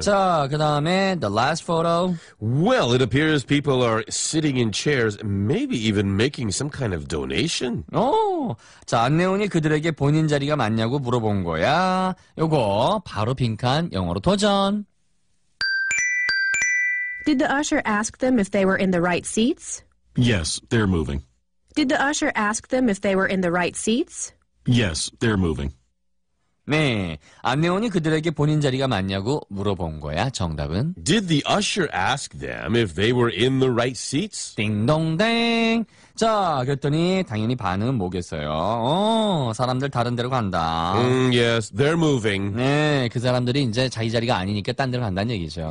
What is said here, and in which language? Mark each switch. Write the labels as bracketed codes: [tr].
[ko] 자, 그 다음에 [en] the last photo. Well, it appears people are sitting in chairs, maybe even making some kind of donation. [ko] 오, 자, 안내원이 그들에게 본인 자리가 맞냐고 물어본 거야. 요거 바로 빈칸 영어로 도전. [en] Did the usher ask them if they were in the right seats? Yes, they're moving. Did the usher ask them if they were in the right seats? Yes, they're moving. [ko] 네, 안내원이 그들에게 본인 자리가 맞냐고 물어본 거야. 정답은? [en] Did the usher ask them if they were in the right seats? [ko] 띵동댕. 자, 그랬더니 당연히 반응은 뭐겠어요? 어, 사람들 다른 데로 간다. [en] Yes, they're moving. [ko] 네, 그 사람들이 이제 자기 자리가 아니니까 딴 데로 간다는 얘기죠.